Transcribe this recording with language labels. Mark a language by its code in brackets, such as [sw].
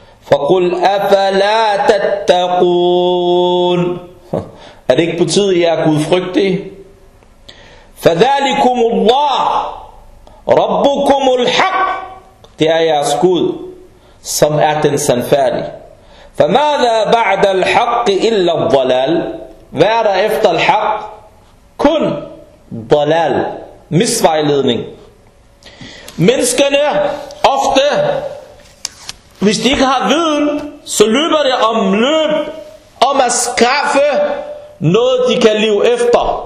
[ar] فَقُلْ أَفَلَا تَتَّقُونَ [da] Er det ikke på tid, at I er gudfrygtige? [ar] فَذَلِكُمُ اللَّهِ رَبُّكُمُ الْحَقِّ [da] Det er jeres Gud, som er den sandfærdige. [ar] فَمَاذَا بَعْدَ الْحَقِّ إِلَّا الظَّلَالِ [da] Hvad er der efter [ar] الحق? [da] Kun ضلال, misvejledning. Menneskene ofte, hvis de ikke har viden, så løber det om løb om at skaffe noget, de kan leve efter.